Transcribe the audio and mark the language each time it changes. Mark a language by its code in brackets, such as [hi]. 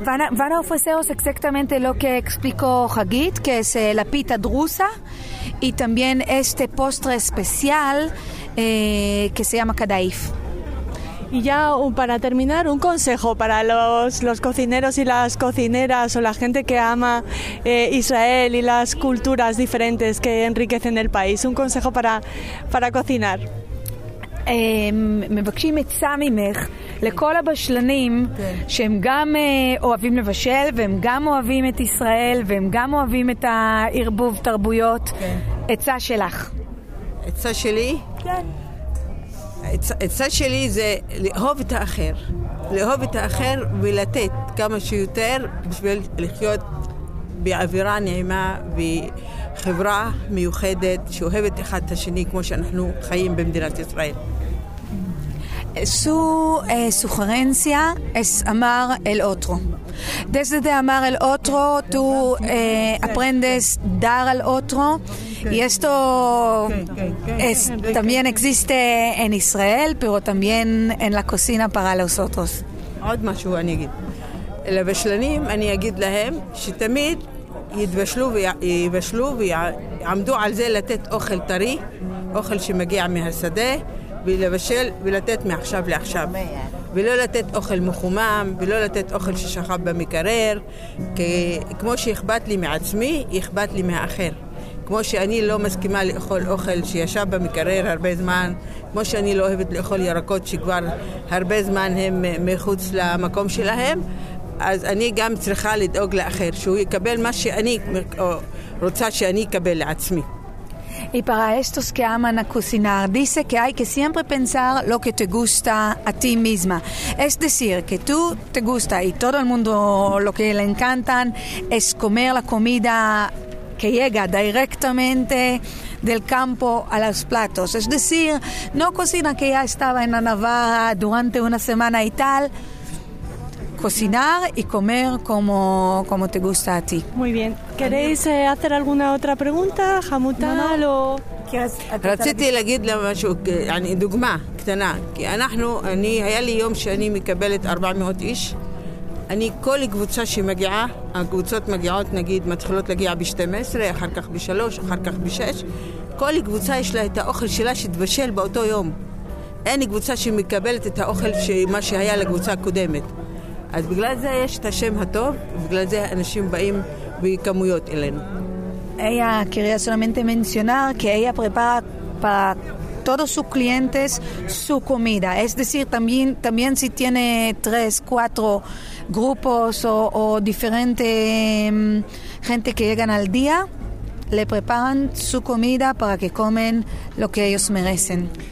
[es] Van a ofreceros exactamente lo que explicó Hagit, que es la pita drusa y también este postre especial que se llama kadaif. Y ya para terminar, un consejo para los cocineros y las cocineras o la gente que ama Israel y las culturas diferentes que enriquecen el país. Un consejo para cocinar. [he] מבקשים מצא ממך לכל הבשלנים שהם גם אוהבים לבשל והם גם אוהבים את ישראל והם גם אוהבים את הערבוב תרבויות. הצא שלך. הצא שלי? כן. הצעה שלי זה לאהוב את האחר, לאהוב את האחר ולתת כמה שיותר בשביל לחיות באווירה נעימה וחברה מיוחדת שאוהבת אחד את השני כמו שאנחנו חיים במדינת ישראל. [es] Su sugerencia es amar el otro. Desde de amar al otro, tú aprendes dar al otro. Y esto es, también existe en Israel, pero también en la cocina para los otros. [he] עוד משהו אני אגיד. לבשלנים אני אגיד להם שתמיד יבשלו ויעמדו על זה לתת אוכל טרי, אוכל שמגיע מהשדה, ולבשל ולתת מעכשיו לעכשיו. ולא לתת אוכל מחומם, ולא לתת אוכל ששכב במקרר, כמו שאכבת לי מעצמי, אכבת לי מהאחר. כמו שאני לא מסכימה לאכול אוכל שישב במקרר הרבה זמן, כמו שאני לא אוהבת לאכול ירקות שכבר הרבה זמן הם מחוץ למקום שלהם, אז אני גם צריכה לדאוג לאחר, שהוא יקבל מה שאני רוצה שאני אקבל לעצמי. [es] Y para estos que aman a cocinar, dice que hay que siempre pensar lo que te gusta a ti misma. Es decir, que tú te gusta y todo el mundo lo que le encantan es comer la comida que llega directamente del campo a los platos. Es decir, no cocina que ya estaba en la Navarra durante una semana y tal. Cocinar y comer como te gusta a ti. Muy bien. ¿Queréis hacer alguna otra pregunta, Hamutal? [he] רציתי להגיד לה משהו, דוגמה קטנה. כי אנחנו, היה לי יום שאני מקבלת 400 איש. אני כל קבוצה שמגיעה, הקבוצות מגיעות, נגיד, מתחילות להגיע ב-12, אחר כך ב-3, אחר כך ב-6. כל קבוצה יש לה את האוכל שלה שתבשל באותו יום. אין קבוצה שמקבלת את האוכל שמה שהיה לקבוצה הקודמת. אז בגלל זה יש את השם הטוב, בגלל זה אנשים באים בכמויות אלינו. [es] Ella quería solamente mencionar que ella prepara para todos sus clientes su comida. Es decir, también si tiene 3-4 grupos o diferentes gente que llegan al día, le preparan su comida para que comen lo que ellos merecen.